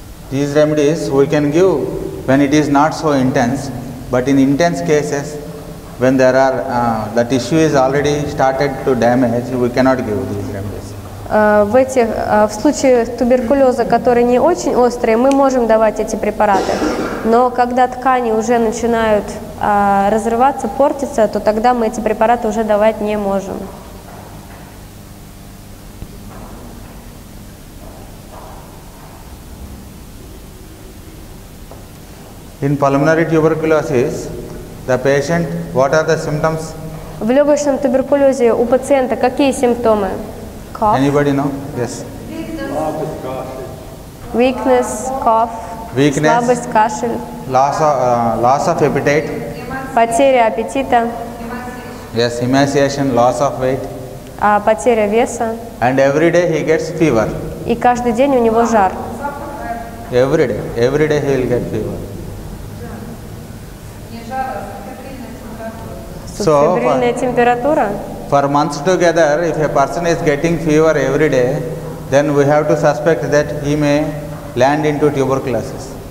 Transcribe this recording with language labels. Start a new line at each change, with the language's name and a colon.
English: These remedies we can give when it is not so intense, but in intense cases, when there are the tissue is already started to damage, we cannot give these remedies.
Russian: В случае туберкулеза, который не очень острый, мы можем давать эти препараты. Но когда ткани уже начинают разрываться, портиться, то тогда мы эти препараты уже давать не можем.
English: In pulmonary tuberculosis, the patient, what are the symptoms?
Russian: В легочном туберкулезе у пациента какие симптомы?
English: Cough. Anybody know? Yes. Weakness, cough. Weakness.
Russian: Слабость, кашель.
English: Loss of appetite.
Russian: Потеря аппетита.
English: Yes, emaciation, loss of weight.
Russian: А потеря веса.
English: And every day he gets fever.
Russian: И каждый день у него жар.
English: Every day he will get fever.
Russian: Субфебрильная температура.
English: For months together, if a person is getting fever every day, then we have to suspect that he may land into tuberculosis.